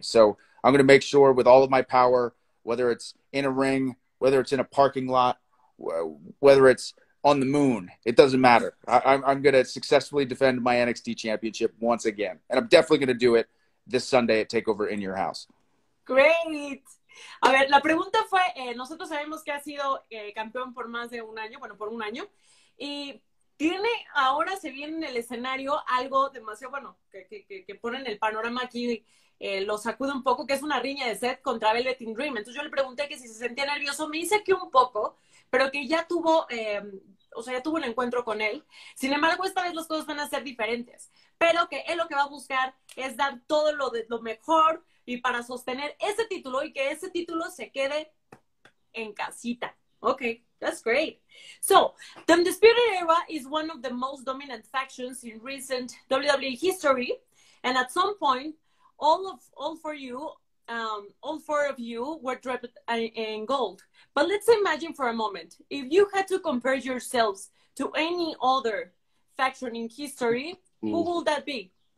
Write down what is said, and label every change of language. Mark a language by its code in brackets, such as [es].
[en] So I'm going to make sure with all of my power, whether it's in a ring, whether it's in a parking lot, whether it's on the moon, it doesn't matter. I'm going to successfully defend my NXT championship once again. And I'm definitely going to do it this Sunday at TakeOver In Your House. Great. [es] A ver, la pregunta fue, nosotros sabemos que ha sido campeón por más de un año, bueno, por un año, y tiene, ahora se viene en el escenario algo demasiado, bueno, que ponen el panorama aquí, lo sacude un poco, que es una riña de Seth contra Velveteen Dream. Entonces yo le pregunté que si se sentía nervioso, me dice que un poco, pero que ya tuvo, o sea, ya tuvo un encuentro con él. Sin embargo, esta vez las cosas van a ser diferentes, pero que él lo que va a buscar es dar todo lo mejor y para sostener ese título y que ese título se quede en casita. [en] Okay, that's great. So, the Undisputed Era is one of the most dominant factions in recent WWE history, and at some point, all four of you were draped in gold. But let's imagine for a moment, if you had to compare yourselves to any other faction in history, who will that be?